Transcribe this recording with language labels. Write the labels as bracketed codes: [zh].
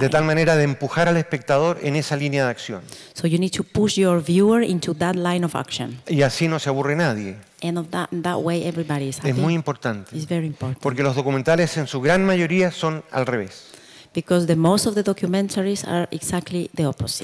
[es] De tal manera de empujar al espectador en esa línea de acción. [en] So you need to push your viewer into that line of action. [es] Y así no se aburre nadie. [en] And that way everybody is happy. [es] Es muy importante. [en] It's very important. [es] Porque los documentales en su gran mayoría son al revés. [en] Because the most of the documentaries are exactly the opposite.